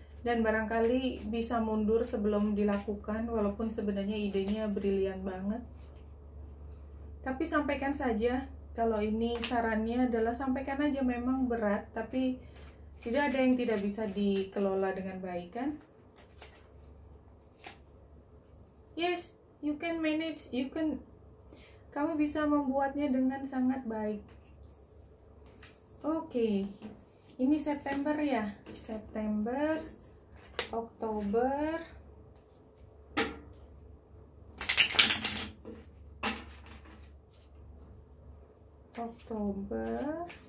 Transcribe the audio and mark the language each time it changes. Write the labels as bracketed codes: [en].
[id] Dan barangkali bisa mundur sebelum dilakukan, walaupun sebenarnya idenya brilian banget. Tapi sampaikan saja, kalau ini sarannya adalah sampaikan aja, memang berat, tapi tidak ada yang tidak bisa dikelola dengan baik, kan? [en] Yes, you can manage, you can. [id] Kamu bisa membuatnya dengan sangat baik. Oke, ini September ya, September, Oktober, Oktober,